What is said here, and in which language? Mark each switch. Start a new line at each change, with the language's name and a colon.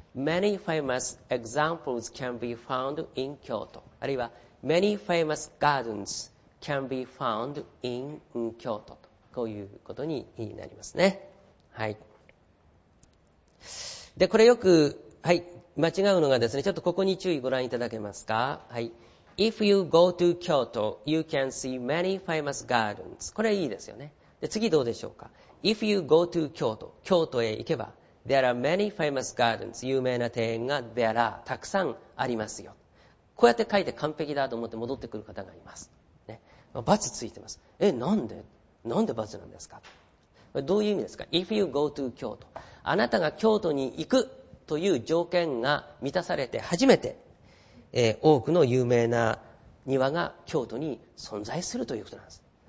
English: Many famous examples can be found in 京都、
Japanese: あるいは
English: Many famous gardens can be found in 京都と、
Japanese: こういうことになりますね。はい、でこれよく、はい、間違うのがですね、ちょっとここに注意ご覧いただけますか。
English: はい、If you go to Kyoto, you can see many famous gardens.
Japanese: これいいですよね。で次どうでしょうか。
English: If you go to Kyoto,
Japanese: 京都へ行けば、
English: There are many famous gardens.
Japanese: 有名な庭園が
English: There are
Japanese: たくさんありますよ。こうやって書いて完璧だと思って戻ってくる方がいます。ね、バツついてます。え、なんで？なんでバツなんですか。どういう意味ですか。
English: If you go to
Japanese: 京都、あなたが京都に行くという条件が満たされて初めて、多くの有名な庭が京都に存在するということなんです。